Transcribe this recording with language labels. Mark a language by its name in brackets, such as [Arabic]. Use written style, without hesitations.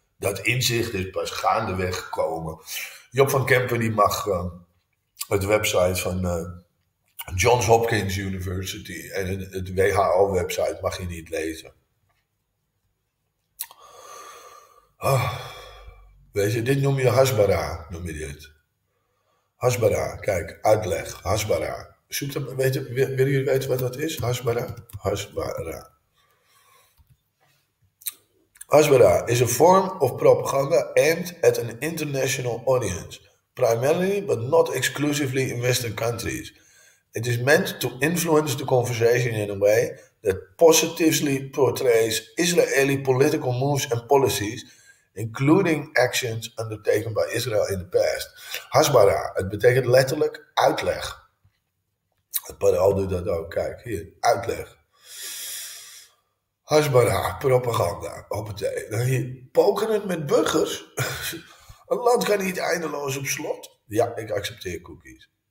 [Dutch] Dat inzicht is pas gaandeweg gekomen. Job van Kempen die mag het website van Johns Hopkins University en het WHO-website mag je niet lezen. Oh, weet je, dit noem je Hasbara, noem je dit. Hasbara, kijk, uitleg, Hasbara. Zoek dat, willen jullie weten wat dat is? Hasbara? Hasbara. [English] Hasbara is a form of propaganda aimed at an international audience, primarily but not exclusively in Western countries. It is meant to influence the conversation in a way that positively portrays Israeli political moves and policies, including actions undertaken by Israel in the past. [Dutch] Hasbara, het betekent letterlijk uitleg. Het Parool doet dat ook, kijk, hier, uitleg. Hasbara, propaganda, hoppatee. Hier, poken het met burgers? Een land kan niet eindeloos op slot. Ja, ik accepteer cookies.